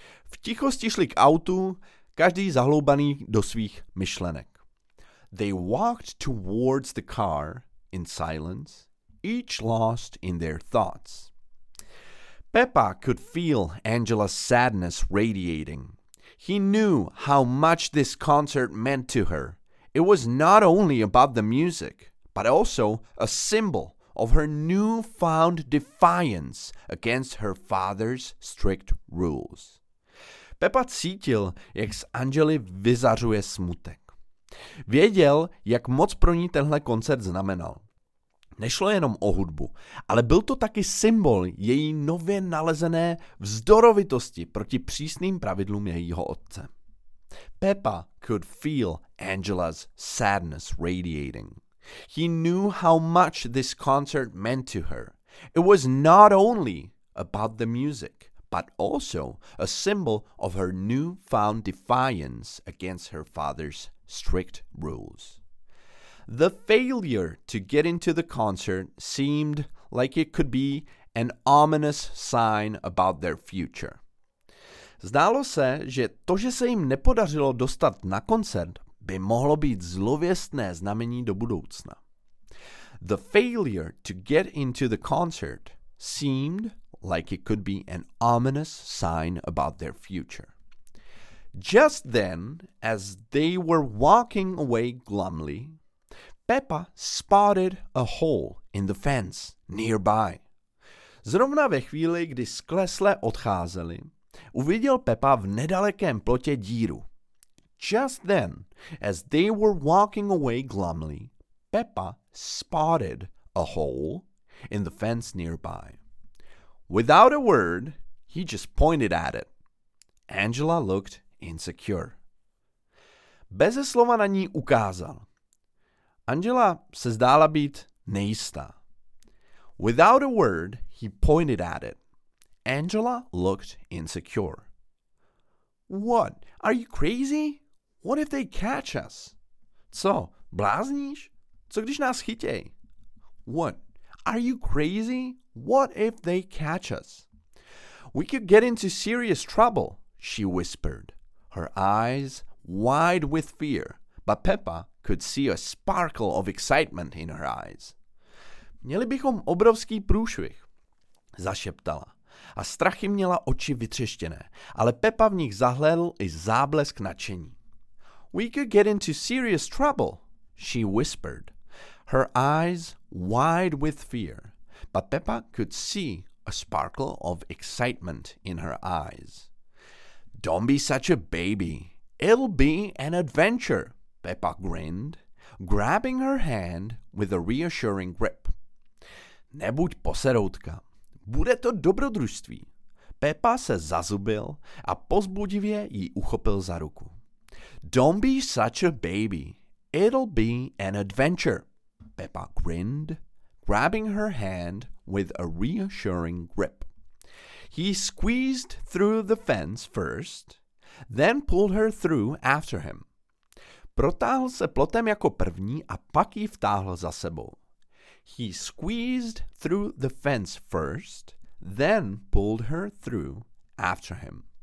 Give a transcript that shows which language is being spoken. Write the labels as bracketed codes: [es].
[cs] V tichosti šli k autu, každý zahloubaný do svých myšlenek. [en] They walked towards the car in silence, each lost in their thoughts. Peppa could feel Angela's sadness radiating. He knew how much this concert meant to her. It was not only about the music, but also a symbol of her newfound defiance against her father's strict rules. [cs] Peppa cítil, jak z Angely vyzařuje smutek. Věděl, jak moc pro ní tenhle koncert znamenal. Nešlo jenom o hudbu, ale byl to taky symbol její nově nalezené vzdorovitosti proti přísným pravidlům jejího otce. [en] Peppa could feel Angela's sadness radiating. He knew how much this concert meant to her. It was not only about the music, but also a symbol of her newfound defiance against her father's strict rules. The failure to get into the concert seemed like it could be an ominous sign about their future. [cs] Zdálo se, že to, že se jim nepodařilo dostat na koncert, by mohlo být zlověstné znamení do budoucna. [en] The failure to get into the concert seemed like it could be an ominous sign about their future. Just then, as they were walking away glumly, Peppa spotted a hole in the fence nearby. [cs] Zrovna ve chvíli, kdy sklesle odcházeli, uviděl Peppa v nedalekém plotě díru. [en] Just then, as they were walking away glumly, Peppa spotted a hole in the fence nearby. Without a word, he just pointed at it. Angela looked insecure. [cs] beze slova na ní ukázal. Angela se zdála být nejistá. [en] Without a word, he pointed at it. Angela looked insecure. What? Are you crazy? What if they catch us? [cs] Co? Blázníš? Co když nás chytěj? [en] What? Are you crazy? What if they catch us? We could get into serious trouble, she whispered, her eyes wide with fear, but Peppa could see a sparkle of excitement in her eyes. [cs] Měli bychom obrovský průšvih, zašeptala. A strachy měla oči vytřeštěné, ale Peppa v nich zahlédl i záblesk nadšení. [en] We could get into serious trouble, she whispered, her eyes wide with fear, but Peppa could see a sparkle of excitement in her eyes. Don't be such a baby. It'll be an adventure, Peppa grinned, grabbing her hand with a reassuring grip. [cs] Nebuď poseroutka. Bude to dobrodružství. Peppa se zazubil a pozbudivě ji uchopil za ruku. [en] Don't be such a baby. It'll be an adventure, Peppa grinned, grabbing her hand with a reassuring grip. He squeezed through the fence first, then pulled her through after him. [cs] Protáhl se plotem jako první a pak ji vtáhl za sebou. [en] He squeezed through the fence first, then pulled her through after him.